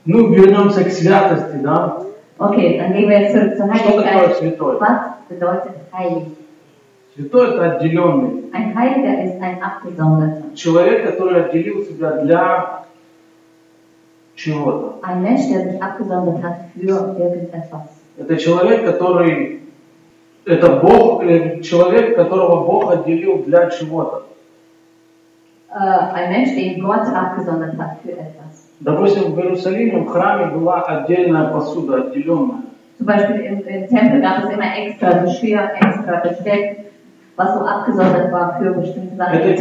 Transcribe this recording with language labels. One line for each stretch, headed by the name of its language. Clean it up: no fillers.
Russian: Ну, вернемся к святости, да?
German: Okay, dann gehen wir zurück zur Heiligkeit. Was bedeutet heilig?
Russian: Святой – это отделенный.
German: Ein Heiliger ist ein Abgesonderter.
Russian: Человек, который отделил себя для чего-то.
German: Ein Mensch, der sich abgesondert hat für irgendetwas.
Russian: Это человек, который… Это Бог, человек, которого Бог отделил для чего-то.
German: Ein Mensch, den Gott abgesondert hat für etwas.
Russian: Допустим, в Иерусалиме в храме была отдельная посуда, отделенная.
German: Zum Beispiel im Tempel gab es immer extra Geschirr, extra Besteck. Was so abgesondert war für bestimmte Sachen.